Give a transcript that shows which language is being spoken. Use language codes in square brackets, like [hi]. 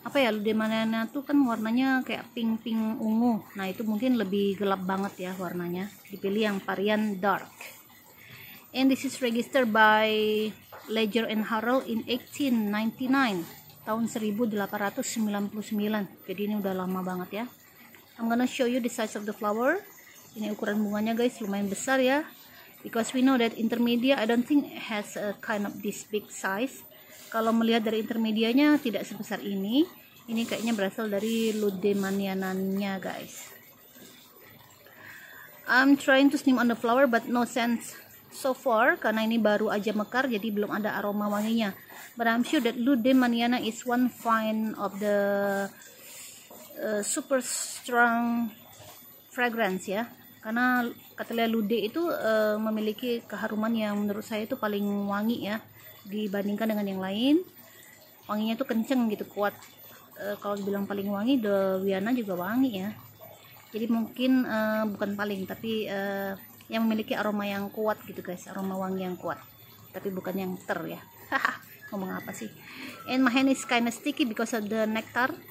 [id] Ludemaniana itu kan warnanya kayak pink-pink ungu. Nah, itu mungkin lebih gelap banget ya warnanya. Dipilih yang varian dark. [en] And this is registered by Ledger and Harrell in 1899. [id] Tahun 1899. Jadi ini udah lama banget ya. [en] I'm gonna show you the size of the flower. [id] Ini ukuran bunganya guys, lumayan besar ya. [en] Because we know that intermedia, I don't think it has a kind of this big size. [id] Kalau melihat dari intermedianya tidak sebesar ini. Ini kayaknya berasal dari Ludemanianannya guys. [en] I'm trying to sniff on the flower but no sense so far. [id] Karena ini baru aja mekar jadi belum ada aroma wanginya. [en] But I'm sure that Ludemaniana is one fine of the super strong fragrance ya. [id] Karena Cattleya Lude itu memiliki keharuman yang menurut saya itu paling wangi ya. Dibandingkan dengan yang lain, wanginya tuh kenceng gitu, kuat. Kalau dibilang paling wangi, the Viana juga wangi ya. Jadi mungkin bukan paling, tapi yang memiliki aroma yang kuat gitu guys, aroma wangi yang kuat. Tapi bukan yang ter ya. Ngomong apa sih? [en] And my hand is kinda sticky because of the nectar.